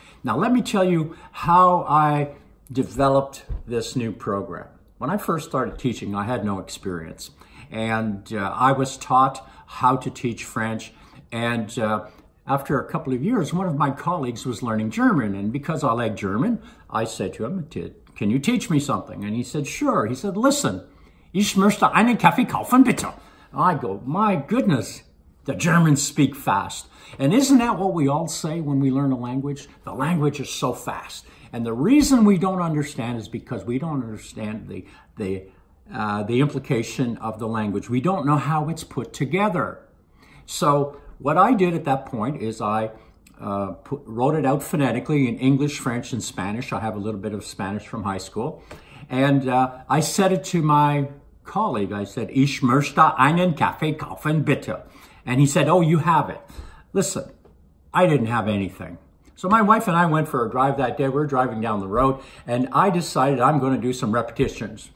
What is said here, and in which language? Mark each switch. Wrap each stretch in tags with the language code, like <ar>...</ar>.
<en>Now, let me tell you how I developed this new program. When I first started teaching, I had no experience. And I was taught how to teach French. And after a couple of years, one of my colleagues was learning German. And because I like German, I said to him, can you teach me something? And he said, sure. He said, listen,</en> <de>ich möchte einen Kaffee kaufen, bitte.</de> <en>I go, my goodness, the Germans speak fast. And isn't that what we all say when we learn a language? The language is so fast. And the reason we don't understand is because we don't understand the implication of the language. We don't know how it's put together. So what I did at that point is I wrote it out phonetically in English, French, and Spanish. I have a little bit of Spanish from high school. And I said it to my colleague. I said,</en> <de>ich möchte einen Kaffee kaufen, bitte.</de> <en>And he said, oh, you have it. Listen, I didn't have anything. So my wife and I went for a drive that day. We were driving down the road, and I decided I'm going to do some repetitions.</en>